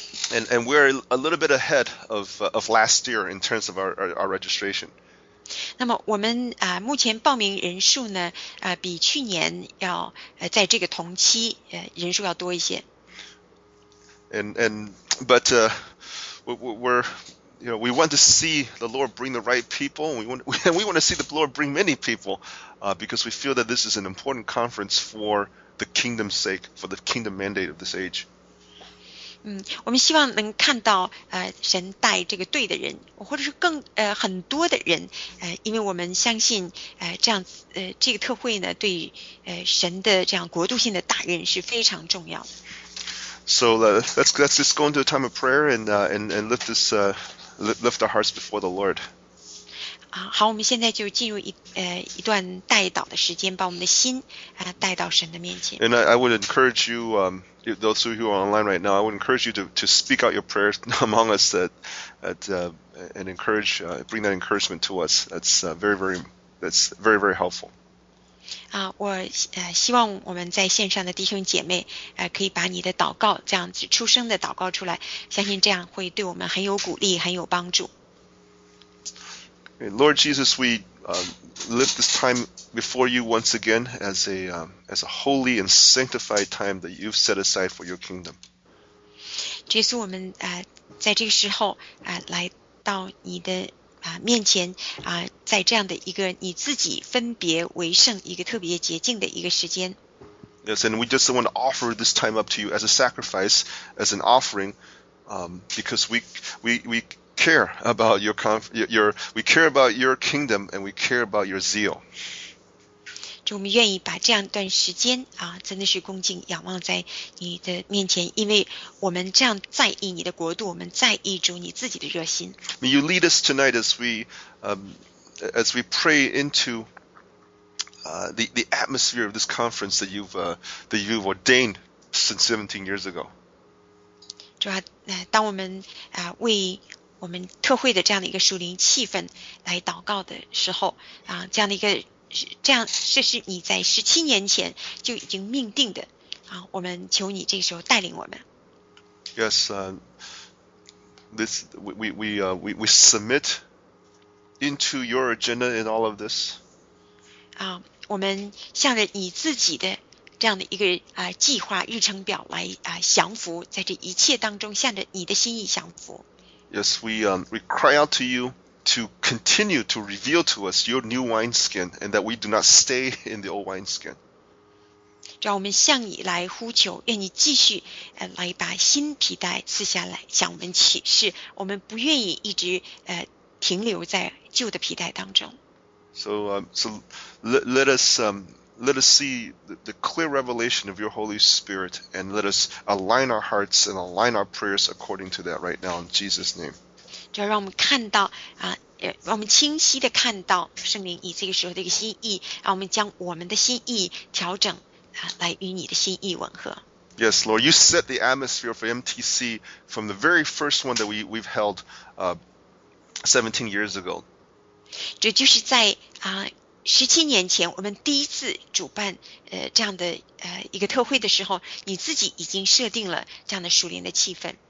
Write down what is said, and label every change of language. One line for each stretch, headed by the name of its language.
English: And we're a little bit ahead of last year in terms of our registration.
Chinese: 那么我们目前报名人数呢比去年要在这个同期人数要多一些。
English: But we want to see the Lord bring the right people, and we want to see the Lord bring many people, because we feel that this is an important conference for the kingdom's sake, for the kingdom mandate of this age.
Chinese: 我们希望能看到神带这个对的人，或者是更很多的人，因为我们相信这样这个特会呢对神的这样国度性的大任是非常重要的。
English: So let's just go into a time of prayer and lift this lift our hearts before the Lord.
Chinese: 好，我们现在就进入一段代祷的时间，把我们的心带到神的面前。
English: And I would encourage you, those of you who are online right now, I would encourage you to speak out your prayers among us and encourage, bring that encouragement to us. That's very, very helpful.
Chinese: 我希望我们在线上的弟兄姐妹可以把你的祷告这样子出声的祷告出来，相信这样会对我们很有鼓励，很有帮助。
English: Lord Jesus, we lift this time before you once again as a holy and sanctified time that you've set aside for your kingdom.
Chinese: 耶稣，我们在这个时候来到你的面前在这样的一个你自己分别为圣一个特别洁净的一个时间。
English: Yes, and we just want to offer this time up to you as a sacrifice, as an offering, because we care about we care about your kingdom and we care about your zeal.
Chinese: 主，我们愿意把这样一段时间真的是恭敬仰望在你的面前，因为我们这样在意你的国度，我们在意主你自己的热心。
English: May you lead us tonight as we pray into the atmosphere of this conference that you've ordained since 17 years ago.
Chinese: 主啊，当我们为我们特会的这样的一个属灵气氛来祷告的时候这样的一个这是你在17年前就已经命定的我们求你这个时候带领我们。
English: Yes, this we submit into your agenda in all of this.
Chinese: 我们向着你自己的这样的一个计划日程表来降服，在这一切当中向着你的心意降服。
English: Yes, we cry out to you to continue to reveal to us your new wineskin and that we do not stay in the old wineskin.
Chinese: 主要我们向你来呼求，愿你继续来把新皮带赐下来向我们启示，我们不愿意一直停留在旧的皮带当中。
English: So let us see the clear revelation of your Holy Spirit and let us align our hearts and align our prayers according to that right now in Jesus' name.
Chinese: 主要让我们看到让我们清晰地看到圣灵以这个时候的一个心意，让我们将我们的心意调整来与你的心意吻合。
English: Yes, Lord, you set the atmosphere for MTC from the very first one that we've held 17 years ago.
Chinese: 这就是在17年前我们第一次主办这样的一个特会的时候，你自己已经设定了这样的属灵的气氛。